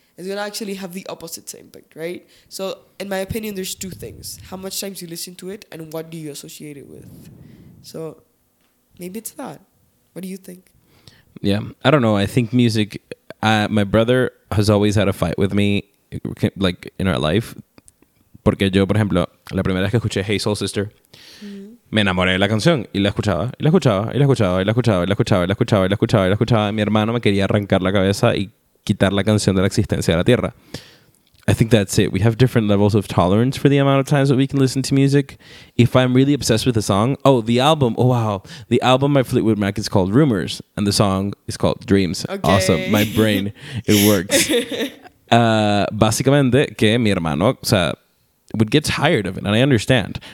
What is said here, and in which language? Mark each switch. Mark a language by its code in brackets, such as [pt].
[en] It's going to actually have the opposite impact, right? So in my opinion, there's two things: how much times you listen to it and what do you associate it with. So maybe it's that. What do you think? Yeah, I don't know. I think music, my brother has always had a fight with me, like in our life, [es] Porque yo, por ejemplo, la primera vez que escuché Hey Soul Sister, me enamoré de la canción y la escuchaba, y la escuchaba, y la escuchaba, y la escuchaba, y la escuchaba, y la escuchaba, y la escuchaba, y la escuchaba. Mi hermano me quería arrancar la cabeza y quitar la canción de la existencia de la Tierra. [en] I think that's it. We have different levels of tolerance for the amount of times that we can listen to music. If I'm really obsessed with a song, oh, the album, oh wow, the album by Fleetwood Mac is called Rumors, and the song is called Dreams. Okay. Awesome. My brain, it works. [es] Básicamente, que mi hermano, o sea, [en] would get tired of it, and I understand.